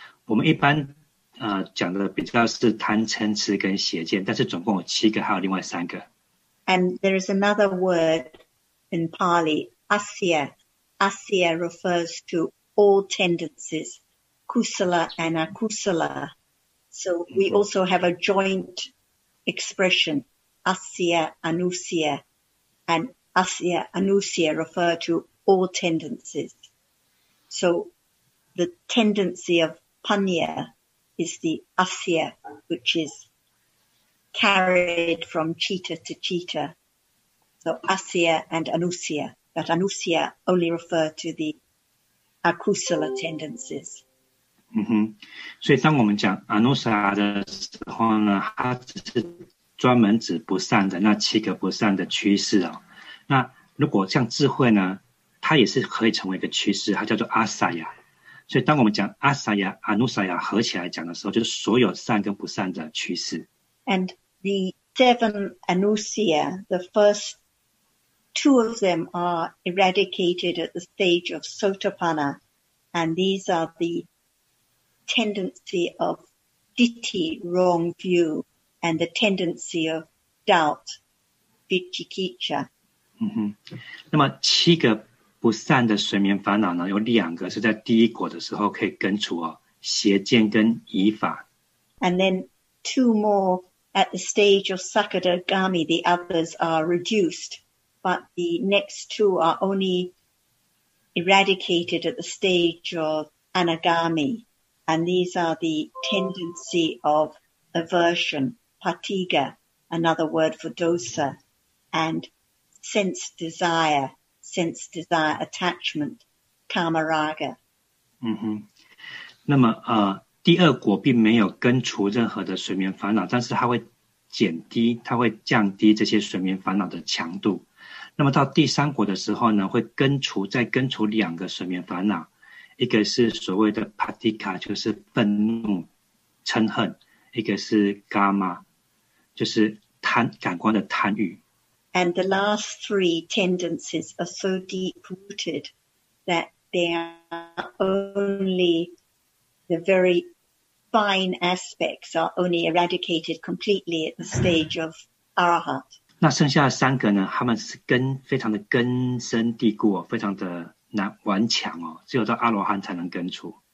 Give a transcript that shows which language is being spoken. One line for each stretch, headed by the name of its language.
Chinese: 我们一般讲的比较是贪嗔痴跟邪见，但是总共有七个，还有另外三个。
English: And there is another word in Pali, asya. Asya refers to all tendencies. Kusala and akusala. So we also have a joint expression, asya, anusya, and asya, anusya refer to all tendencies. So the tendency of panya is the asya, which is carried from citta to citta. So asya and anusya, but anusya only refer to the akusala tendencies.
Chinese: 嗯哼，所以当我们讲 anusa 的时候呢，它只是专门指不善的那七个不善的趋势啊、哦。那如果像智慧呢，它也是可以成为一个趋势，它叫做 asaya。所以当我们讲 asaya anusaya 合起来讲的时候，就是所有善跟不善的趋势。
English: And the seven anusya, the first two of them are eradicated at the stage of sotapanna, and these are the tendency of ditti, wrong view, and the tendency of doubt, vichikicca.
Chinese: 那么七个不善的睡眠烦恼呢，有两个是在第一果的时候可以根除哦，邪见跟疑法。
English: And then two more at the stage of Sakadagami, the others are reduced, but the next two are only eradicated at the stage of Anagami. And these are the tendency of aversion, patiga, another word for dosa, and sense desire attachment, kamaraga.
Chinese: 嗯哼，那么第二果并没有根除任何的睡眠烦恼，但是它会减低，它会降低这些睡眠烦恼的强度。那么到第三果的时候呢，会根除，再根除两个睡眠烦恼。一个是所谓的 patika 就是愤怒嗔恨，一个是 gamma 就是贪感官的贪欲。
English: And the last three tendencies are so deep rooted that they are only the very fine aspects are only eradicated completely at the stage of arahat.
Chinese: 那剩下的三个呢，他们是根非常的根深蒂固、哦、非常的顽强哦，只有到阿罗汉才能根除。